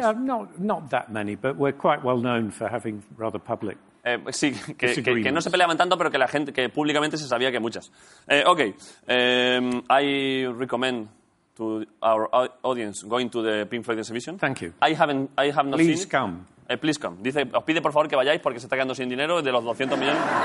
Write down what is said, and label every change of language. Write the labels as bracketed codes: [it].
[en] Yeah, not that many, but we're quite well known for having rather public. [es] Sí, que no se peleaban tanto, pero que la gente, que públicamente se sabía que muchas. [en] Okay, I recommend to our audience going to the Pink Floyd exhibition. Thank you. I have not please seen. Please come. Please come. [es] Dice, os pide por favor que vayáis porque se está quedando sin dinero de los 200 millones.